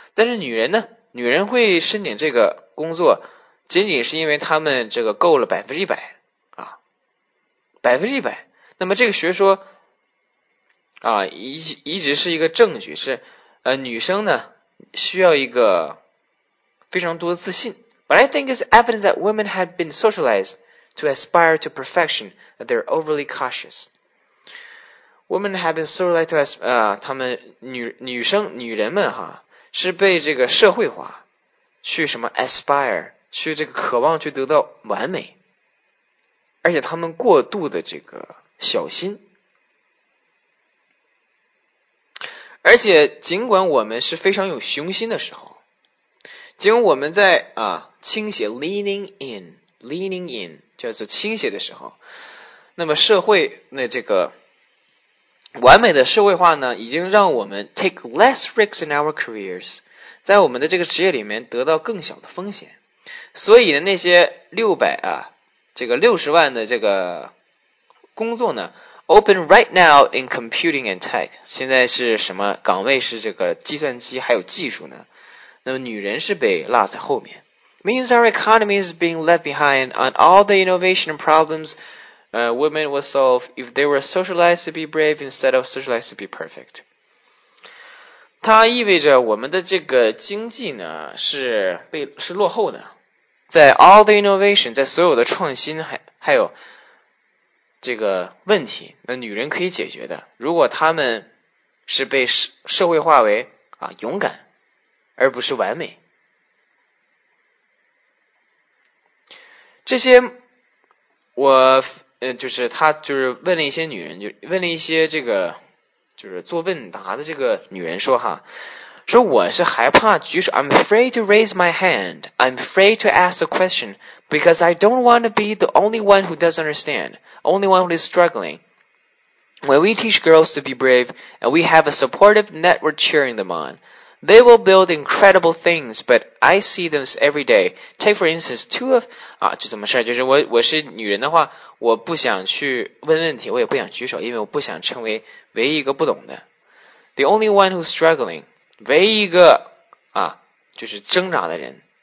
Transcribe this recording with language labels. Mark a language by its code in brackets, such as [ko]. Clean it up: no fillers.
[zh] 但是女人会申请这个工作，仅仅是因为他们这个够了100%啊，100%。那么这个学说啊，一直是一个证据，是女生呢需要一个非常多的自信。 [en] But I think it's evident that women have been socialized to aspire to perfection that they're overly cautious. Women have been socialized to aspire [zh] 他们女人们哈是被这个社会化去什么 aspire, 去这个渴望去得到完美。而且他们过度的这个小心。而且尽管我们是非常有雄心的时候，尽管我们在啊倾斜 leaning in, 叫做倾斜的时候，那么社会那这个完美的社会化呢，已经让我们 [en] take less risks in our careers, [zh] 在我们的这个职业里面得到更小的风险。所以呢，那些60万的这个工作呢 , [en] open right now in computing and tech, [zh] 现在是什么岗位，是这个计算机还有技术呢，那么女人是被落在后面。 [en] Means our economy is being left behind on all the innovation problems,women would solve if they were socialized to be brave instead of socialized to be perfect. [zh] 它意味着我们的这个经济呢是落后的。在 [en] all the innovation, [zh] 在所有的创新还有这个问题，那女人可以解决的。如果她们是被社会化为啊勇敢而不是完美。这些我就是他就是问了一些女人，就问了一些这个就是做问答的这个女人说哈，说我是害怕举手， [en] I'm afraid to raise my hand, I'm afraid to ask a question, because I don't want to be the only one who doesn't understand, only one who is struggling. When we teach girls to be brave, and we have a supportive network cheering them on, they will build incredible things, but I see them every day. Take for instance, two of, [zh] 啊，就怎么事，就是我是女人的话，我不想去问问题，我也不想举手，因为我不想成为唯一一个不懂的。 [en] The only one who's struggling, [zh] 唯一一个啊就是挣扎的人。